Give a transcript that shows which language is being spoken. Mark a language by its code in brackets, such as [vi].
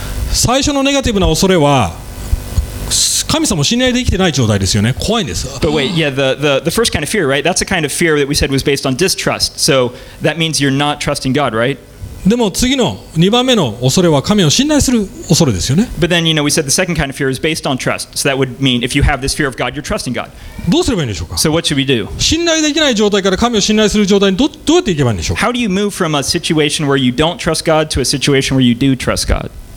[ja] 最初のネガティブな恐れは神様を信頼できてない状態ですよね。怖いんです。 [en] But wait, yeah, the first kind of fear, right? That's a kind of fear that we said was based on distrust. So that means you're not trusting God, right? [ja] でも次の2番目の恐れは神を信頼する恐れですよね。 [en] But then, we said the second kind of fear is based on trust. So that would mean if you have this fear of God, you're trusting God. [ja] どうすればいいんでしょうか? [en] So what should we do? [ja] 信頼できない状態から神を信頼する状態にどうやっていけばいいんでしょう? [en] How do you move from a situation where you don't trust God to a situation where you do trust God?